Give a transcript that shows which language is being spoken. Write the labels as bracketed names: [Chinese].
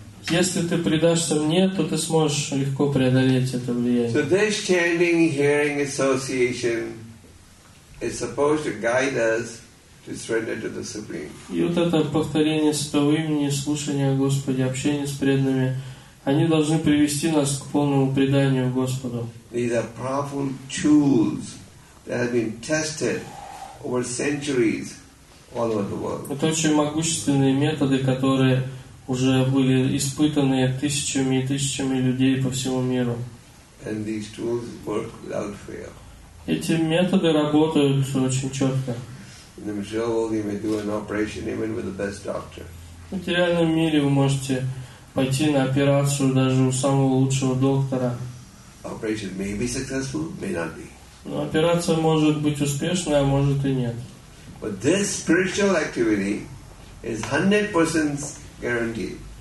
[Russian] Если ты предашься мне, то ты сможешь легко преодолеть это влияние. [English] So this chanting hearing association is supposed to guide us to surrender to the Supreme. [Russian] И вот это повторение святого имени, слушание о Господе, общение с преданными, они должны привести нас к полному преданию Господу. [English] These are powerful tools that have been tested over centuries all over the world. [Russian] Это очень могущественные методы, которые уже были испытаны тысячами и тысячами людей по всему миру. [English] And these tools work without fail. [Russian] Эти методы работают очень четко. [English] In the material world, you may do an operation even with the best doctor. [Russian] В материальном мире вы можете пойти на операцию даже у самого лучшего доктора. [English] Operation may be successful, may not be. [Russian] Но операция может быть успешной, а может и нет. [English] But this spiritual activity is 100% guaranteed.